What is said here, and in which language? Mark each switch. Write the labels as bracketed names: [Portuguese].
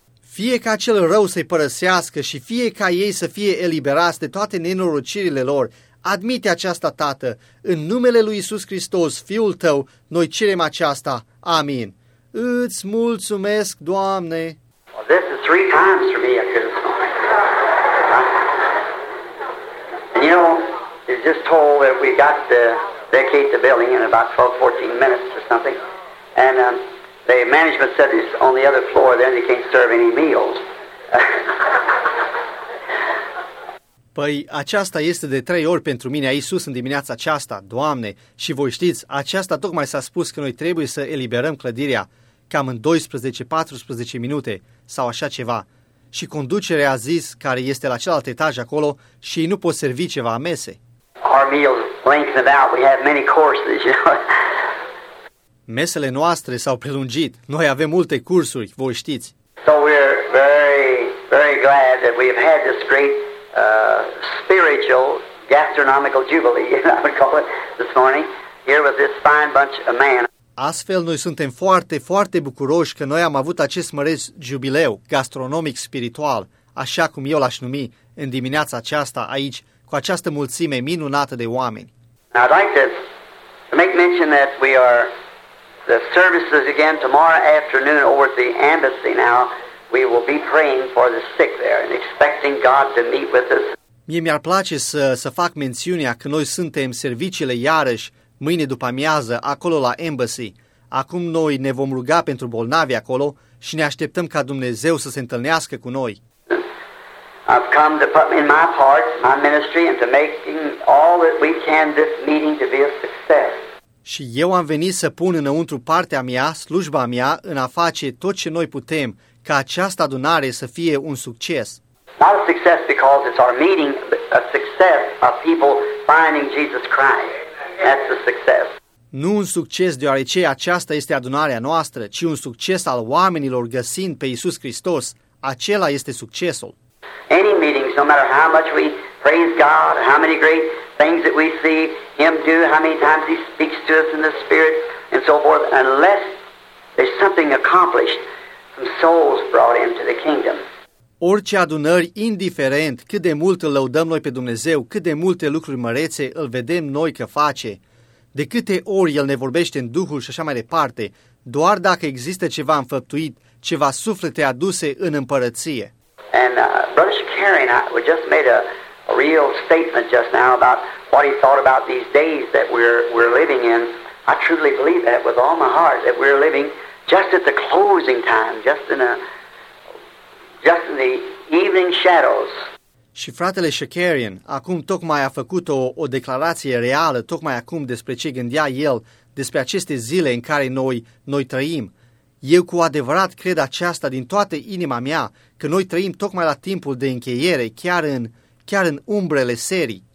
[Romanian] Fie ca cel rău să-i părăsească și fie ca ei să fie eliberați de toate nenorocirile lor, admite aceasta, Tată, în numele lui Iisus Hristos, Fiul Tău, noi cerem aceasta. Amin. Îți mulțumesc, Doamne! [English] Well, this is three times for me at this point. You know, it's just told that we got to vacate the building in about 12-14 minutes or something, and the management said it's on the other floor, then they can't serve any meals. [Romanian] Păi, aceasta este de trei ori pentru mine aici sus în dimineața aceasta, Doamne, și voi știți, aceasta tocmai s-a spus că noi trebuie să eliberăm clădirea, cam în 12-14 minute sau așa ceva. Și conducerea a zis, care este la celălalt etaj acolo, și ei nu pot servi ceva mese. [English] Our meals lengthened out, we have many courses, you know. [Romanian] Mesele noastre s-au prelungit. Noi avem multe cursuri, voi știți. [English] So we're very, very glad that we've had this great spiritual gastronomical jubilee, I would call it, this morning. Here was this fine bunch of men. [Romanian] Astfel, noi suntem foarte, foarte bucuroși că noi am avut acest măreț jubileu gastronomic spiritual, așa cum eu l-aș numi, în dimineața aceasta aici, cu această mulțime minunată de oameni. [English] I'd like to make mention that we are the services again tomorrow afternoon over at the embassy. Now we will be praying for the sick there and expecting God to meet with us. [Romanian] Mie mi-ar place să fac mențiunea că noi suntem serviciile iarăși mâine după amiază acolo la embassy. Acum noi ne vom ruga pentru bolnavi acolo și ne așteptăm ca Dumnezeu să se întâlnească cu noi. [English] I've come to put in my part, my ministry, and to making all that we can this meeting to be a success. [Romanian] Și eu am venit să pun înăuntru partea mea, slujba mea, în a face tot ce noi putem, ca această adunare să fie un succes. [English] Not a success because it's our meeting, a success of people finding Jesus Christ. That's a success. [Romanian] Nu un succes deoarece aceasta este adunarea noastră, ci un succes al oamenilor găsind pe Iisus Hristos. Acela este succesul. [English] Any meetings, no matter how much we praise God, how many great things that we see Him do, how many times He speaks to us in the Spirit, and so forth, unless there's something accomplished, some souls brought into the kingdom. [Romanian] Orice adunări, indiferent cât de mult îl lăudăm noi pe Dumnezeu, cât de multe lucruri mărețe îl vedem noi că face, de câte ori El ne vorbește în Duhul și așa mai departe, doar dacă există ceva înfăptuit, ceva suflete aduse în împărăție. [English] And Brother Shakari and I just made a real statement just now about what he thought about these days that we're living in. I truly believe that with all my heart that we're living just at the closing time, just in the evening shadows. [Romanian] Și fratele Shakarian acum tocmai a făcut o declarație reală, tocmai acum despre ce gândea el despre aceste zile în care noi trăim. Eu cu adevărat cred aceasta din toată inima mea, că noi trăim tocmai la timpul de încheiere, chiar în umbrele serii.